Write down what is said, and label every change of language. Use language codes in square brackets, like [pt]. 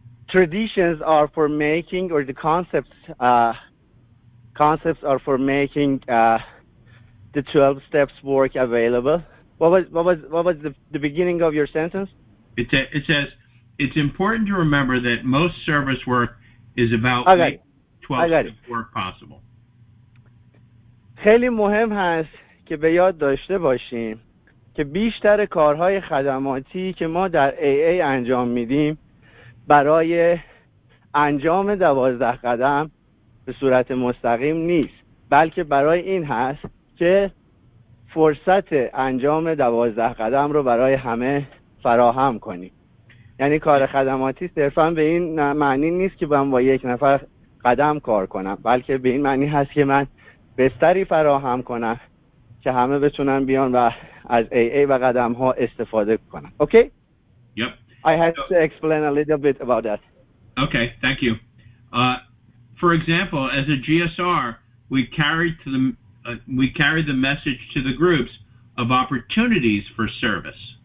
[en] Traditions are for making, or the concepts are for making the 12 steps work available. What was the beginning of your sentence? It says it's important to remember that most service work is about making 12-step work possible. [fa] خیلی مهم هست که به یاد داشته باشیم که بیشتر کارهای خدماتی که ما در AA انجام میدیم برای انجام 12 قدم به صورت مستقیم نیست، بلکه برای این هست که فرصت انجام 12 قدم رو برای همه فراهم کنیم. یعنی کار خدماتی صرفا به این معنی نیست که من با یک نفر قدم کار کنم، بلکه به این معنی هست که من بستری فراهم کنم که همه بتونن بیان و از AA و قدم ها استفاده کنن. [en] Okay? Yep. I had to explain a little bit about that. Okay, thank you. For example, as a GSR, we carried the message to the groups of opportunities for service.